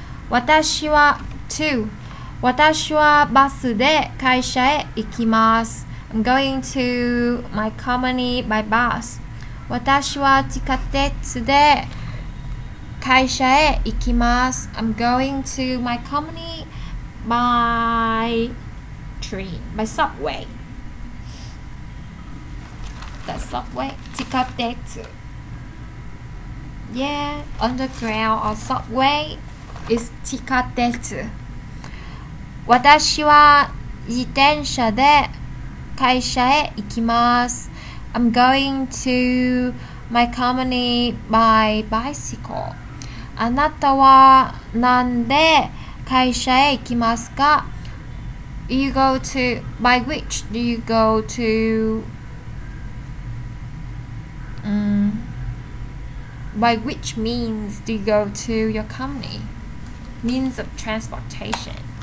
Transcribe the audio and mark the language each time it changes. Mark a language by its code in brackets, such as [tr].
[ja] 私は私はバスで会社へ行きます。 [en] I'm going to my company by bus. [ja] 私は地下鉄で会社へ行きます。 [en] I'm going to my company by train, by subway. The subway? 地下鉄。Yeah, underground or subway is 地下鉄。 [ja] 私は自転車で会社へ行きます。 [en] I'm going to my company by bicycle. [ja] あなたはなんで会社へ行きますか? [en] you go to, by which do you go to, by which means do you go to your company? Means of transportation.